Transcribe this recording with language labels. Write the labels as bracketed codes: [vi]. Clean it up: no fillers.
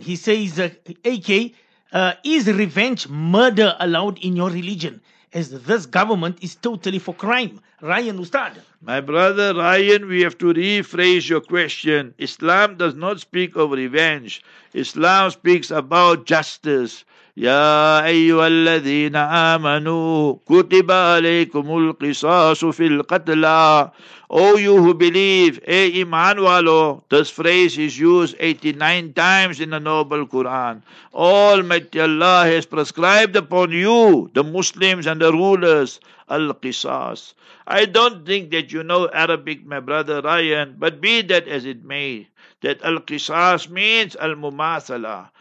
[en] He says, AK, is revenge murder allowed in your religion? As this government is totally for crime. Ryan Ustad. My brother Ryan, we have to rephrase your question. Islam does not speak of revenge. Islam speaks about justice. [ar] يا أيها الذين آمنوا كتب عليكم القصاص في القتلى. [en] Oh, you who believe, eh, [ur] iman walo, [en] this phrase is used 89 times in the noble Quran. Almighty Allah has prescribed upon you, the Muslims and the rulers, al-qisas. I don't think that you know Arabic, my brother Ryan, but be that as it may, that al-qisas means al-mumathala.